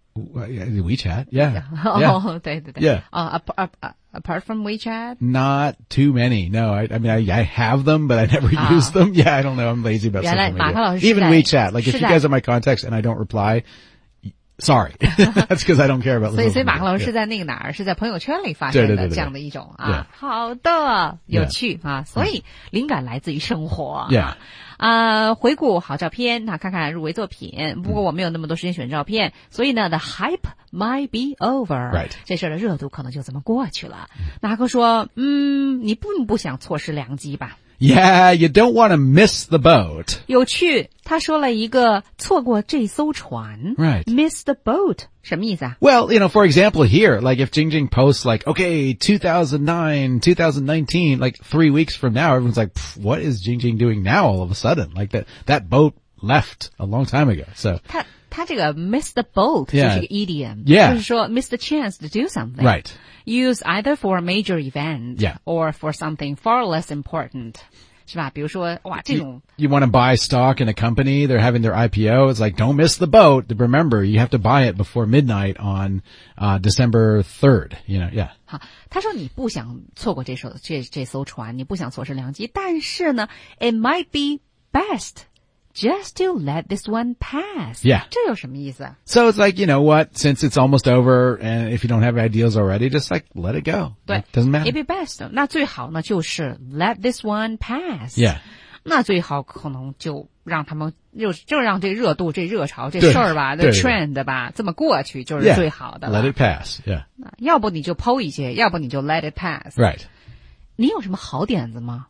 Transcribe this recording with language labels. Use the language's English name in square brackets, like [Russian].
[English] WeChat. Yeah. Yeah. Oh, [Chinese] 对对对。 [English] Yeah. Apart from WeChat? Not too many. No, I mean, I have them, but I never use them. Yeah, I don't know. I'm lazy about social media. Even WeChat. Like, if you guys are my contacts and I don't reply,Sorry, that's because I don't care about [Chinese] 所以马克老师是在那个哪儿、 [English] yeah. [Chinese] 是在朋友圈里发现的这样的一种对对对对啊、yeah. 好的有趣、yeah. 啊所以灵感来自于生活。 [English] Yeah. [Chinese] 回顾好照片那、啊、看看入围作品不过我没有那么多时间选照片、嗯、所以呢 [English] the hype might be over. Right. [Chinese] 这事儿的热度可能就这么过去了。马克说嗯你并不想错失良机吧。 [English] Yeah, you don't want to miss the boat. [Chinese] 有趣，他说了一个错过这艘船。 [English] Right. Miss the boat. [Chinese] 什么意思啊? [English] Well, you know, for example here, like if Jingjing posts like, okay, 2009, 2019, like 3 weeks from now, everyone's like, what is Jingjing doing now all of a sudden? Like that boat left a long time ago, so. [Chinese] 他这个 [English] miss the boat [Chinese] 就是一个 idiom、 [English] yeah. [Chinese] 就是说 [English] miss the chance to do something、 right. use either for a major event、 yeah. or for something far less important [Chinese] 是吧比如说哇这种 [English] you want to buy stock in a company they're having their IPO it's like don't miss the boat remember you have to buy it before midnight on、December 3rd you know yeah [Chinese] 他说你不想错过这艘船你不想错失良机但是呢 [English] it might be bestJust to let this one pass. Yeah. [Chinese] 这有什么意思? [English] So it's like, you know what, since it's almost over, and if you don't have ideas already, just like, let it go. [Chinese] 对。 [English] Doesn't matter. It'd be best. [Chinese] 那最好呢就是 [English] let this one pass. Yeah. [Chinese] 那最好可能就让他们就让这热度这热潮这事儿吧这 trend 吧这么过去就是最好的。 [English] Yeah. Let it pass. Yeah. [Chinese] 要不你就抛一些要不你就 [English] let it pass. Right. [Chinese] 你有什么好点子吗?